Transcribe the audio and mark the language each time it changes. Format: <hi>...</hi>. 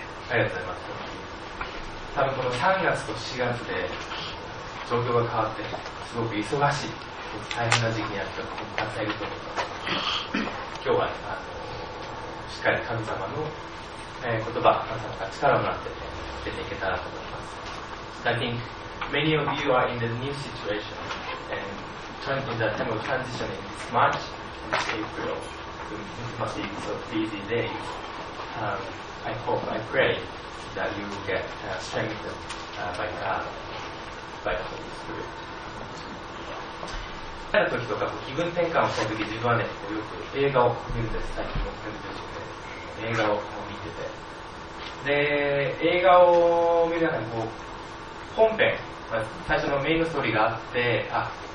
<ja>ありがとうございます。多分この3月と4月で状況が変わって、すごく忙しい、大変な時期にあった方もたくさんいると思います。今日は、しっかり神様の、言葉、神様が力をもらって、出ていけたらと思います。</ja> <en>So、I think many of you are in the new situation andTrying to that time of transitioning this March and April, so it must be so busy days. I hope, I pray that you will get strengthened by God, by the Holy Spirit.</en> <ja>ある時とか気分転換をした時、自分はね、よく映画を見るんです。最近も見るんですよね。映画を見てて、で、映画を見ながらこう本編、まあ、最初のメインのストーリーがあって、あ。</ja>